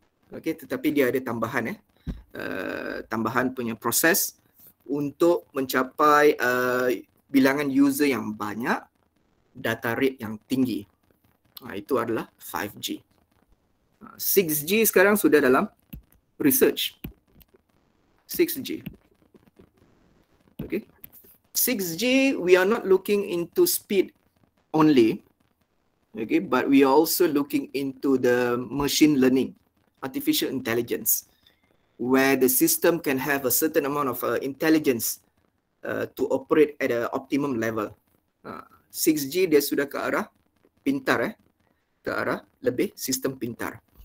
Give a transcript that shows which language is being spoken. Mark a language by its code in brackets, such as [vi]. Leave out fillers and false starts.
[ms] Okey, tetapi dia ada tambahan eh, tambahan punya proses untuk mencapai bilangan user yang banyak, data rate yang tinggi. Itu adalah 5G. 6G sekarang sudah dalam research. 6G. Okay. [en] 6G, we are not looking into speed only. Okay, but we are also looking into the machine learning, artificial intelligence, where the system can have a certain amount of intelligence to operate at an optimum level. [ms] 6G dia sudah ke arah pintar eh, ke arah lebih sistem pintar.